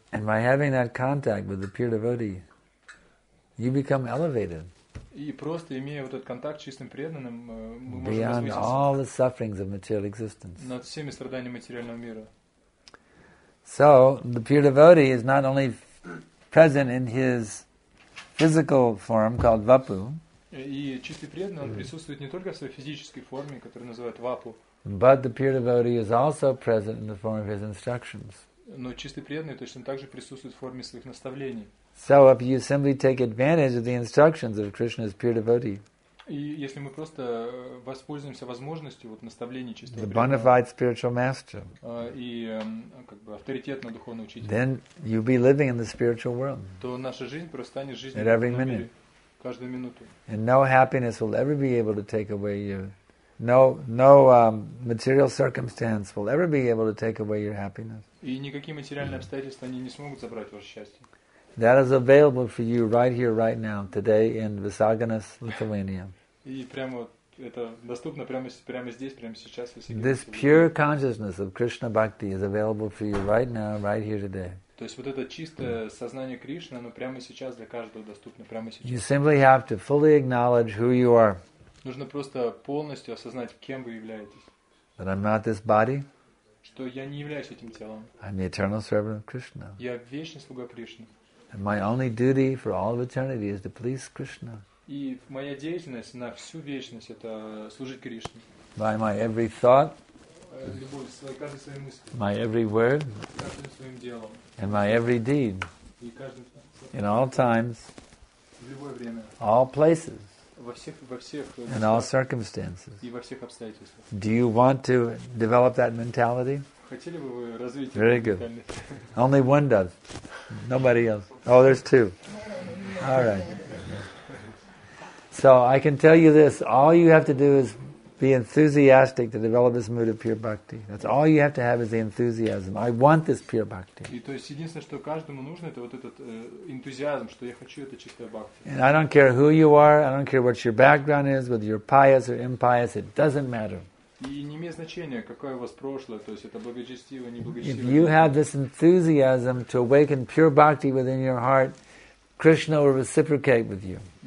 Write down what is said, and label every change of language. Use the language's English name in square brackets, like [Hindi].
[English] And by having that contact with the pure devotee, you become elevated. [Russian] И просто имея вот этот контакт с чистым преданным, мы можем [English] beyond all the sufferings of material existence. [Russian] Над всеми страданиями материального мира. [English] So the pure devotee is not only present in his physical form called vapu. [Russian] И чистый преданный он присутствует не только в своей физической форме, которую называют вапу. [English] But the pure devotee is also present in the form of his instructions. [Russian] Но чистый преданный точно так же присутствует в форме своих наставлений. [English] So if you simply take advantage of the instructions of Krishna's pure devotee. [Russian] И если мы просто воспользуемся возможностью вот наставлений чистого преданного. [English] The bonafide spiritual master. [Russian] И как бы авторитетный духовный учитель. [English] Then you'll be living in the spiritual world. [Russian] То наша жизнь просто станет жизнью в этом мире. Каждую минуту. [English] And no happiness will ever be able to take away you. Material circumstance will ever be able to take away your happiness. [Russian] И никакие материальные обстоятельства они не смогут забрать ваше счастье. [English] That is available for you right here, right now, today in Visaganas, Lithuania. [Russian] И прямо это доступно прямо здесь, прямо сейчас. [English] This pure consciousness of Krishna bhakti is available for you right now, right here, today. [Russian] То есть вот это чистое сознание Кришны, оно прямо сейчас для каждого доступно прямо сейчас. [English] You simply have to fully acknowledge who you are. [Russian] Нужно просто полностью осознать, кем вы являетесь. [English] That I'm not this body. [Russian] Что я не являюсь этим телом. [English] I'm the eternal servant of Krishna. [Russian] Я вечный слуга Кришны. [English] And my only duty for all of eternity is to please Krishna. [Russian] И моя деятельность на всю вечность — это служить Кришне. [English] By my every thought. [Russian] Любой своей, каждой своей мыслью. [English] My every word. [Russian] Каждым своим делом. [English] And my every deed. [Russian] И каждый. [English] In all times. [Russian] В любое время. [English] All places. [Russian] Во всех [English] in all circumstances. [Russian] И во всех обстоятельствах. [English] Do you want to develop that mentality? [Russian] Хотели бы вы развить эту ментальность? [English] Very good. Only one does. Nobody else. Oh, there's two. All right. So I can tell you this. All you have to do is be enthusiastic to develop this mood of pure bhakti. That's all you have to have is the enthusiasm. I want this pure bhakti. [Russian] И то есть единственное, что каждому нужно, это вот этот энтузиазм, что я хочу это чистое бхакти. [English] And I don't care who you are, I don't care what your background is, whether you're pious or impious, it doesn't matter. [Russian] И не имеет значения, какое у вас прошлое, то есть это благочестиво, неблагочестиво. [English] If you have this enthusiasm to awaken pure bhakti within your heart, Krishna will reciprocate with you.